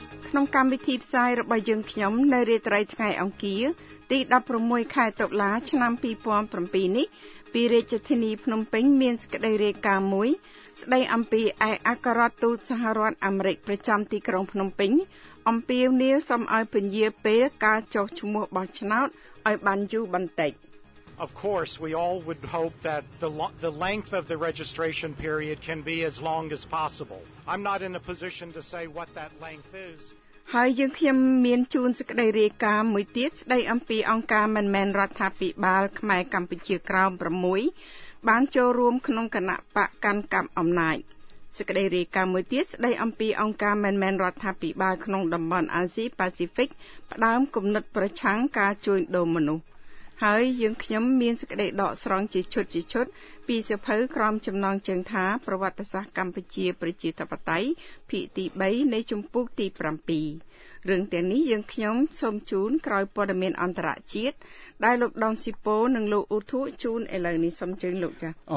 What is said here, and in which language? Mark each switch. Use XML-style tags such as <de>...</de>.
<km>ក្នុងកម្មវិធីផ្សាយរបស់យើងខ្ញុំនៅរាត្រីថ្ងៃអង្គារទី16ខែតុលាឆ្នាំ2007នេះពីរាជធានីភ្នំពេញមានសេចក្តីរាយការណ៍មួយស្តីអំពីឯកអគ្គរដ្ឋទូតសហរដ្ឋអាមេរិកប្រចាំទីក្រុងភ្នំពេញអំពាវនាវសូមឲ្យពន្យារពេលការចុះឈ្មោះបោះឆ្នោតឲ្យបានយូរបន្តិច</km> <en>Of course we all would hope that the length of the registration period can be as long as possible I'm not in a position to say what that length is.</en> <km>ហើយយើងខ្ញុំមានជូនសេចក្តីរាយការណ៍មួយទៀតស្ដីអំពីអង្គការមិនមែនរដ្ឋាភិបាលខ្មែរកម្ពុជាក្រោម6បានចូលរួមក្នុងគណៈបកកាន់កាប់អំណាច សេចក្តីរាយការណ៍មួយទៀតស្ដីអំពីអង្គការមិនមែនរដ្ឋាភិបាលក្នុងតំបន់អាស៊ីប៉ាស៊ីហ្វិកផ្ដើមគំនិតប្រឆាំងការជួញដូរមនុស្សហើយយើងខ្ញុំមានសេចក្តីដកស្រង់ជាឈុតពីសៀវភៅក្រមចំណងជើងថាប្រវត្តិសាស្ត្រកម្ពុជាប្រជាធិបតេយ្យភាគទី3នៃជំពូកទី7រឿងទាំងនេះយើងខ្ញុំសូមជូនក្រោយព័ត៌មានអន្តរជាតិដែលលោកដងស៊ីពូនិងលោកអ៊ូធូជូនឥឡូវនេះសូមជើញលោកចា</km>